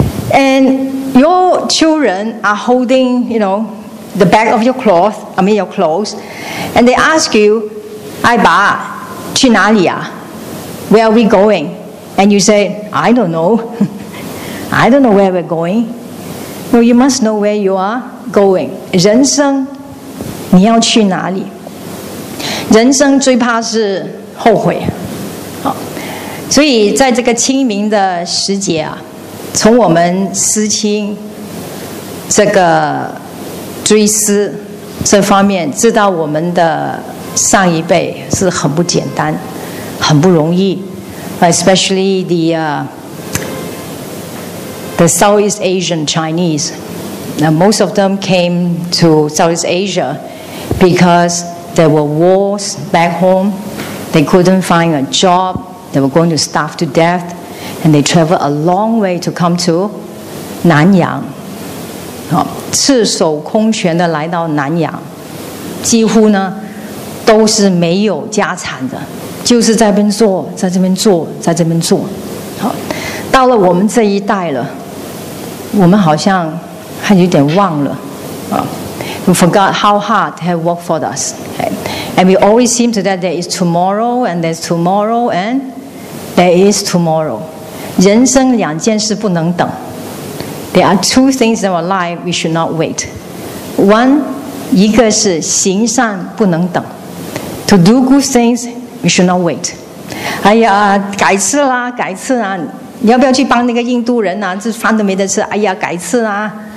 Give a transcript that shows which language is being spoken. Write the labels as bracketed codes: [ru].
[en] And your children are holding, you know, the back of your cloth, I mean your clothes, and they ask you, Aiba, [zh] 去哪里啊? [en] Where are we going? And you say, I don't know. I don't know where we're going. Well, you must know where you are going. [zh] 人生,你要去哪里? 人生最怕是后悔，所以在这个清明的时节，从我们思亲这个追思这方面，知道我们的上一辈是很不简单，很不容易， [en] especially the Southeast Asian Chinese. Now most of them came to Southeast Asia because there were wars back home. They couldn't find a job. They were going to starve to death. And they travel a long way to come to Nanyang. [zh] 赤手空拳地来到南洋, 几乎呢, 都是没有家产的, 就是在这边做, 在这边做, 在这边做。好, 到了我们这一代了, 我们好像还有点忘了, 啊, [en] we forgot how hard they have worked for us. Okay? And we always seem to that there is tomorrow, and there's tomorrow, and there is tomorrow. [zh] 人生两件事不能等。 [en] There are two things in our life we should not wait. One, [zh] 一个是行善不能等。 [en] To do good things, we should not wait. [zh] 哎呀,改次啦,改次啦。你要不要去帮那个印度人啊?这饭都没得吃, 哎呀,改次啦。